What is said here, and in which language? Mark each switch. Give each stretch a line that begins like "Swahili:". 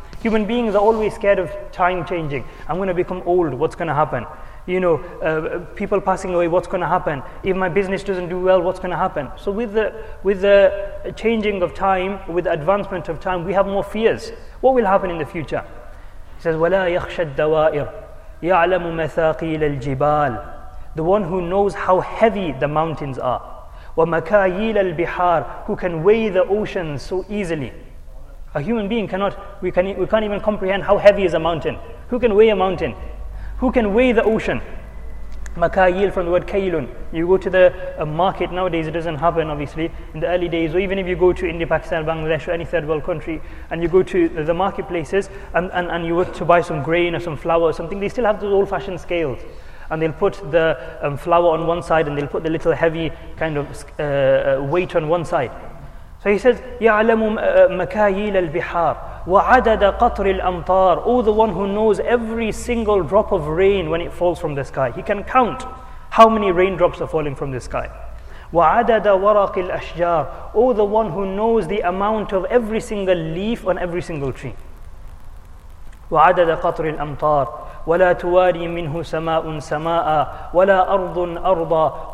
English: Human beings are always scared of time changing. I'm going to become old, what's going to happen? You know, people passing away, what's going to happen? If my business doesn't do well, what's going to happen? So with the changing of time, with the advancement of time, we have more fears. What will happen in the future? He says,
Arabic: وَلَا يَخْشَ الدَّوَائِرُ يَعْلَمُ مَثَاقِيلَ الْجِبَالِ.
English: The one who knows how heavy the mountains are.
Arabic: وَمَكَايِيلَ الْبِحَارِ.
English: Who can weigh the oceans so easily. A human being cannot, we can't even comprehend how heavy is a mountain. Who can weigh a mountain? Who can weigh the ocean? Makayil, from the word kailun. You go to the market nowadays, it doesn't happen obviously. In the early days, or even if you go to India, Pakistan, Bangladesh, or any third world country, and you go to the marketplaces, and you want to buy some grain or some flour or something, they still have those old fashioned scales. And they'll put the flour on one side, and they'll put the little heavy kind of weight on one side. So he says,
Arabic: يَعْلَمُ مَكَايِيلَ الْبِحَارِ وَعَدَدَ قَطْرِ الْأَمْطَارِ.
English: Oh, the one who knows every single drop of rain when it falls from the sky. He can count how many raindrops are falling from the sky.
Arabic: وَعَدَدَ وَرَقِ الْأَشْجَارِ.
English: Oh, the one who knows the amount of every single leaf on every single tree.
Arabic: وَعَدَدَ قَطْرِ الْأَمْطَارِ وَلَا تُوَارِي مِنْهُ سَمَاءٌ سَمَاءَ وَلَا أَرْضٌ أَرْضًا.